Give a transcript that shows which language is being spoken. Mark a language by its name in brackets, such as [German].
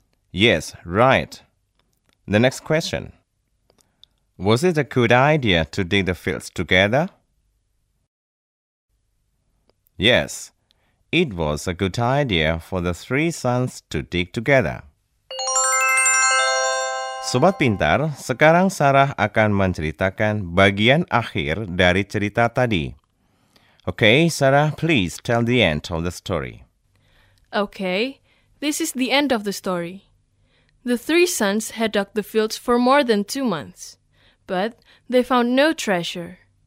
[English] Yes, right. The next question. Was it a good idea to dig the fields together? Yes, it was a good idea for the three sons to dig together. [Indonesian] Sobat Pintar, sekarang Sarah akan menceritakan bagian akhir dari cerita tadi. [English] Okay, Sarah, please tell the end of the story. Okay, this is the end of the story. The three sons had dug the fields for more than 2 months, but they found no treasure.